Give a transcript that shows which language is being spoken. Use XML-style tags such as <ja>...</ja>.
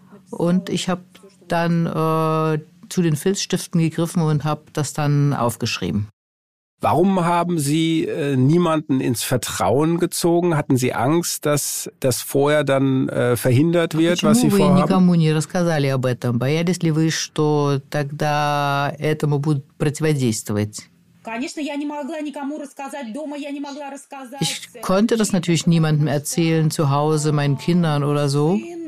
<de>Und ich habe dann zu den Filzstiften gegriffen und habe das dann aufgeschrieben. Warum haben Sie niemanden ins Vertrauen gezogen? Hatten Sie Angst, dass das vorher dann verhindert wird, was Sie vorhaben?</de> <ru>Почему вы никому не рассказали об этом? Боялись ли вы, что тогда этому будут противодействовать? Конечно, я не могла никому рассказать дома, я не могла рассказать.</ru> <de>Ich konnte das natürlich niemandem erzählen, zu Hause, meinen Kindern oder so.</de>